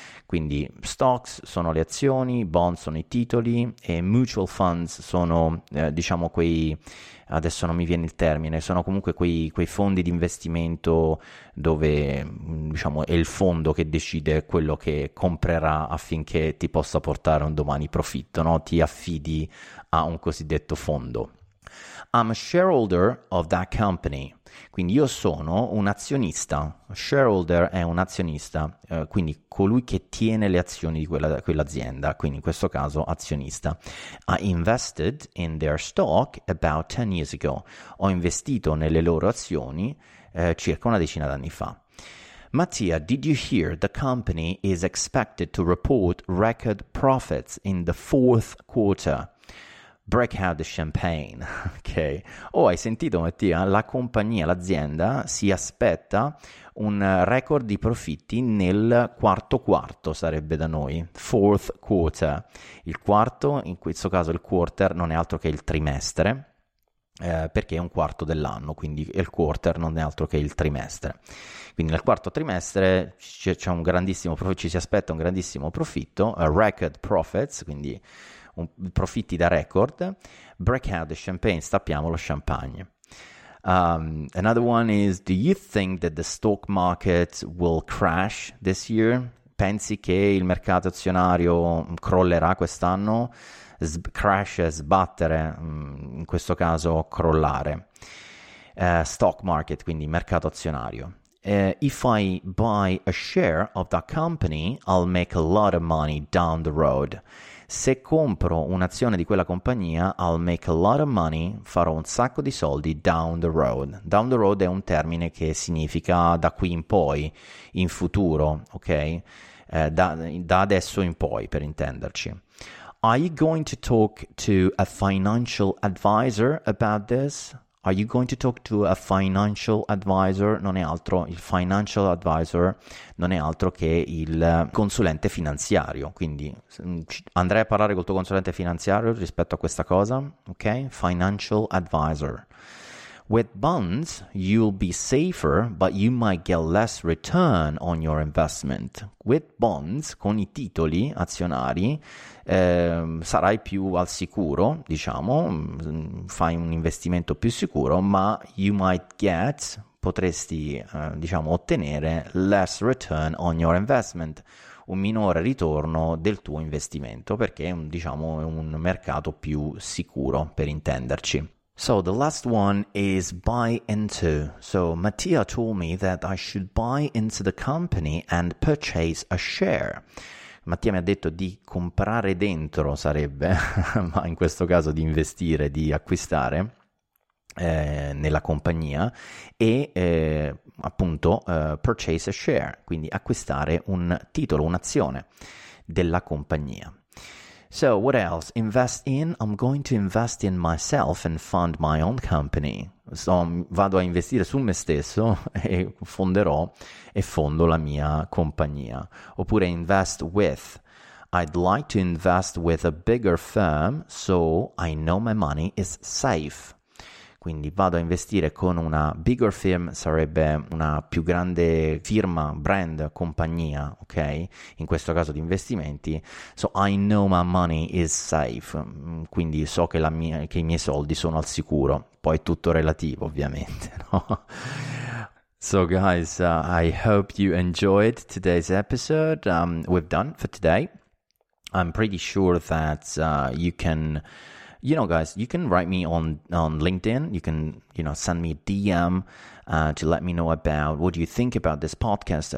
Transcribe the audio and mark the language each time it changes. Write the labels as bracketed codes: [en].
[it] Quindi stocks sono le azioni, bonds sono i titoli, e mutual funds sono, diciamo, quei, adesso non mi viene il termine, sono comunque quei fondi di investimento dove, diciamo, è il fondo che decide quello che comprerà affinché ti possa portare un domani profitto, no? Ti affidi a un cosiddetto fondo. [en] I'm a shareholder of that company. [it] Quindi io sono un azionista, shareholder è un azionista, quindi colui che tiene le azioni di quell'azienda, quindi in questo caso azionista. [en] I invested in their stock about 10 years ago. [it] Ho investito nelle loro azioni circa una decina d'anni fa. [en] Mattia, did you hear the company is expected to report record profits in the fourth quarter? Break out the champagne, ok? [it] Oh, hai sentito, Mattia? La compagnia, l'azienda, si aspetta un record di profitti nel quarto, sarebbe da noi, [en] fourth quarter. [it] Il quarto, in questo caso il quarter, non è altro che il trimestre, perché è un quarto dell'anno, quindi il quarter non è altro che il trimestre. Quindi nel quarto trimestre ci si aspetta un grandissimo profitto, [en] record profits, [it] quindi profitti da record. [en] Break out the champagne, [it] stappiamo lo champagne. [en] Another one is, do you think that the stock market will crash this year? [it] Pensi che il mercato azionario crollerà quest'anno? Crash, sbattere, in questo caso crollare. Stock market, quindi mercato azionario. [en] If I buy a share of that company, I'll make a lot of money down the road. [it] Se compro un'azione di quella compagnia, [en] I'll make a lot of money, [it] farò un sacco di soldi [en] down the road. [it] Down the road è un termine che significa da qui in poi, in futuro, ok? Da adesso in poi, per intenderci. [en] Are you going to talk to a financial advisor about this? Are you going to talk to a financial advisor? [it] Non è altro, il financial advisor non è altro che il consulente finanziario. Quindi andrei a parlare col tuo consulente finanziario rispetto a questa cosa, ok? [en] Financial advisor. With bonds, you'll be safer, but you might get less return on your investment. With bonds, [it] con i titoli azionari, sarai più al sicuro, diciamo, fai un investimento più sicuro, ma [en] you might get, [it] potresti, diciamo, ottenere [en] less return on your investment, [it] un minore ritorno del tuo investimento, perché, diciamo, è un mercato più sicuro, per intenderci. [en] So the last one is buy into. So Mattia told me that I should buy into the company and purchase a share. [it] Mattia mi ha detto di comprare dentro sarebbe, ma in questo caso di investire, di acquistare nella compagnia e appunto [en] purchase a share, [it] quindi acquistare un titolo, un'azione della compagnia. [en] So what else? Invest in? I'm going to invest in myself and fund my own company. [it] So vado a investire su me stesso e fonderò e fondo la mia compagnia. Oppure invest with. [en] I'd like to invest with a bigger firm so I know my money is safe. [it] Quindi vado a investire con una [en] bigger firm, [it] sarebbe una più grande firma, brand, compagnia, ok? In questo caso di investimenti. [en] So I know my money is safe, [it] quindi so che, che i miei soldi sono al sicuro. Poi è tutto relativo, ovviamente, no? [en] So guys, I hope you enjoyed today's episode. We've done for today. I'm pretty sure that you can... You know, guys, you can write me on LinkedIn. You can, you know, send me a DM to let me know about what you think about this podcast.